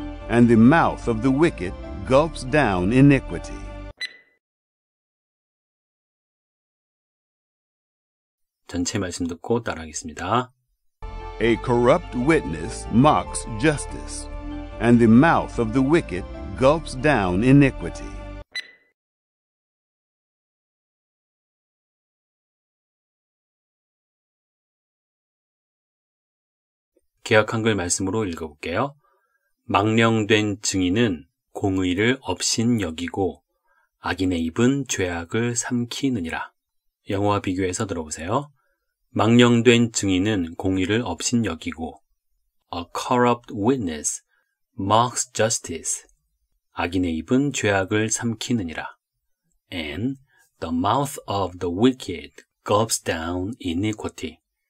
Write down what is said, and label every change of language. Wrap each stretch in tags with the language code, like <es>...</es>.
<en>And the mouth of the wicked gulps down iniquity.</en> <ko>전체 말씀 듣고 따라하겠습니다.</ko> <en>A corrupt witness mocks justice. And the mouth of the wicked gulps down iniquity.</en> <ko>개역 한글 말씀으로 읽어볼게요. 망령된 증인은 공의를 업신여기고 악인의 입은 죄악을 삼키느니라. 영어와 비교해서 들어보세요. 망령된 증인은 공의를 업신여기고</ko> <en>A corrupt witness mocks justice.</en> <ko>악인의 입은 죄악을 삼키느니라.</ko> <en>And the mouth of the wicked gulps down iniquity.</en>